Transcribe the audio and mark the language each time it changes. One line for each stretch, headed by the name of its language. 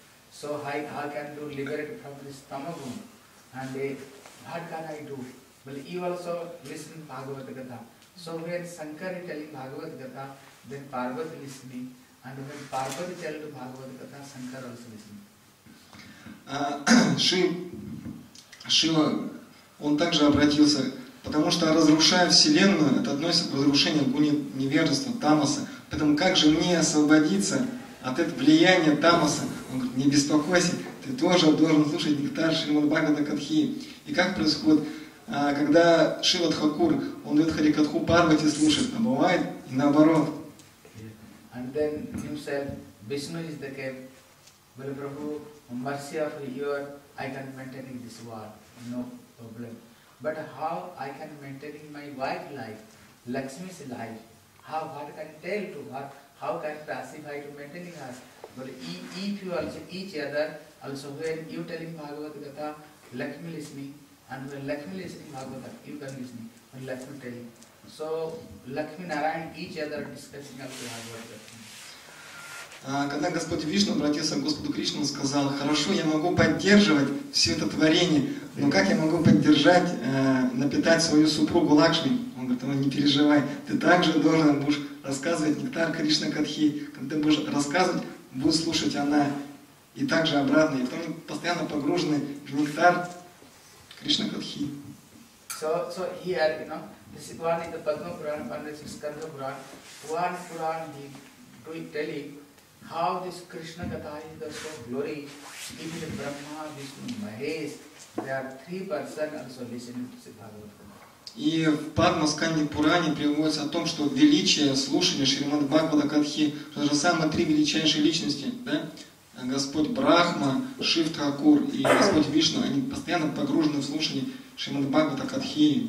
English: So how can you liberate from this tamagun? And what can I do? Well, you also listen Bhagavata Gatha. So when Shankar is telling Bhagavata Gatha, then Parvati listening. And when Parvati tells Bhagavata Gatha, Shankar also listening.
Russian: Шива, он также обратился, потому что разрушая Вселенную, это относится к разрушению гуни невежества, тамаса. Поэтому как же мне освободиться от этого влияния тамаса? Он говорит: не беспокойся, ты тоже должен слушать нектар Шримад Бхагавата Катхи. И как происходит, когда Шива Тхакур, он дает Харикатху Парвати слушать, а бывает и наоборот.
English: And then himself, Vishnu is the cave, Prabhu, mercy of your, I can maintain this world, no problem. But how I can maintain my wife's life, Lakshmi's life? How, what can I tell to her? How can I pacify to maintain her? But if you also, each other, also when you telling Bhagavad Gatha, Lakshmi listening, and when Lakshmi listening Bhagavad Gatha, you can listen, when Lakshmi telling. So Lakshmi Narayan, each other discussing also Bhagavad Gatha.
Russian: Когда Господь Вишну обратился к Господу Кришне, он сказал: «Хорошо, я могу поддерживать все это творение, но как я могу поддержать, напитать свою супругу Лакшми?» Он говорит: «Ну, не переживай, ты также должен будешь рассказывать нектар Кришна Катхи. Когда ты будешь рассказывать, будет слушать она. и также обратно, и потом постоянно погружены в нектар Кришна Кадхи.
English: So here, you know, the Sikwani, the Padma Puran, Pandasik Skanda Puran, one Puran is telling how this Krishna Katha is so glory, even Brahma, Vishnu, Mahesh, there are three persons also listening to Siddhartha.
Russian: И в Падмасканде Пуране приводится о том, что величие слушания Шримад Бхагавата Катхи, что же самые три величайшие личности, да? Господь Брахма, Шив Тхакур и Господь Вишна, они постоянно погружены в слушание Шримад Бхагавата Катхи.